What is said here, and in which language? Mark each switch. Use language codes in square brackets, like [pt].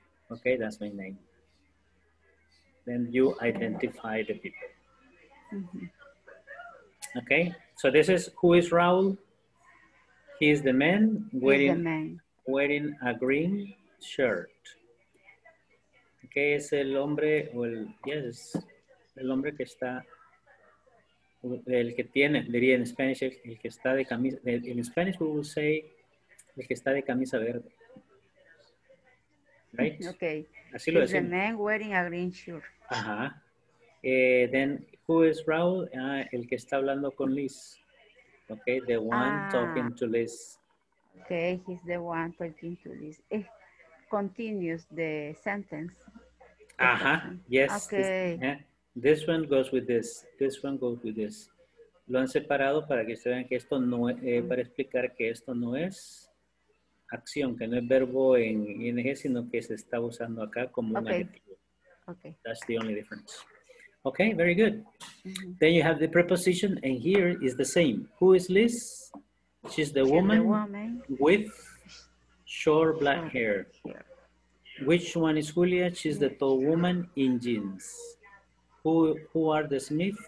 [en] Okay, that's my name. Then you identify the people. Mm-hmm. Okay, so this is, who is Raul? He is the man wearing a green shirt. [es] Okay, es el hombre, el hombre que está, el que tiene, diría en Spanish, el que está de camisa, [en] in Spanish we will say, [es] el que está de camisa verde. [en] Right? Okay. [es] Así lo decimos. [en] The man wearing a green shirt. [es] Ajá. [en] Then, who is Raul? [es] El que está hablando con Liz. [en] Okay, the one talking to Liz. Okay, he's the one talking to Liz. Continues the sentence. Ajá, yes. Okay. This one goes with this. This one goes with this. [es] Lo han separado para que ustedes vean que esto no es, para explicar que esto no es acción, que no es verbo en ing, sino que se está usando acá como un adjetivo. [en] Okay. That's the only difference. Okay, very good. Mm-hmm. Then you have the preposition, and here is the same. Who is Liz? She's the woman with short black hair. Which one is Julia? She's the tall woman in jeans. Who are the Smith?